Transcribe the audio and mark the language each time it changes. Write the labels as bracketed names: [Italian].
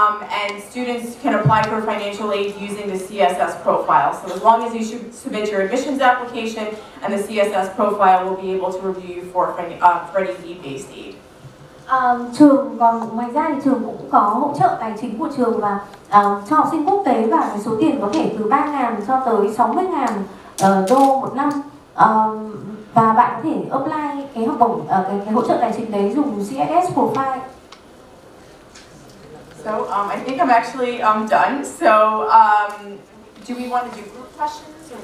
[English] And students can apply for financial aid using the CSS profile. So as long as you submit your admissions application and the CSS profile, we'll be able to review you for any need-based aid. [Vietnamese] Trường còn ngoài ra thì trường cũng có hỗ trợ tài chính của trường và cho học sinh quốc tế, và cái số tiền có thể từ 3.000 cho tới 60.000 đô một năm, và bạn có thể apply cái học bổng cái hỗ trợ tài chính đấy dùng CSS profile. [English] So I think I'm actually done. So do we want to do group questions?